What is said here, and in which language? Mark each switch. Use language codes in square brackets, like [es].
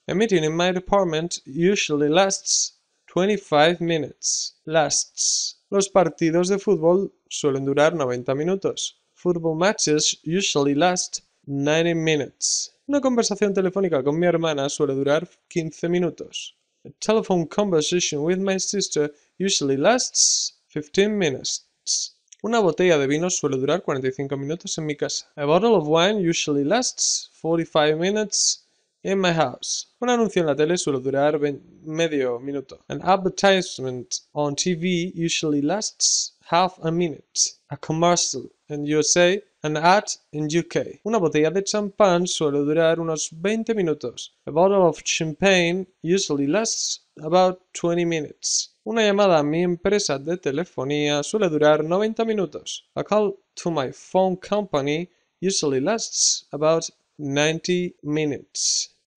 [en] A meeting in my department usually lasts 25 minutes. Lasts. [es] Los partidos de fútbol suelen durar 90 minutos. [en] Football matches usually last 90 minutes. [es] Una conversación telefónica con mi hermana suele durar 15 minutos. [en] A telephone conversation with my sister usually lasts 15 minutes. [es] Una botella de vino suele durar 45 minutos en mi casa. [en] A bottle of wine usually lasts 45 minutes in my house. [es] Un anuncio en la tele suele durar medio minuto. [en] An advertisement on TV usually lasts half a minute. A commercial in USA. An ad in UK. [es] Una botella de champán suele durar unos 20 minutos. [en] A bottle of champagne usually lasts about 20 minutes. [es] Una llamada a mi empresa de telefonía suele durar 90 minutos. [en] A call to my phone company usually lasts about 90 minutes.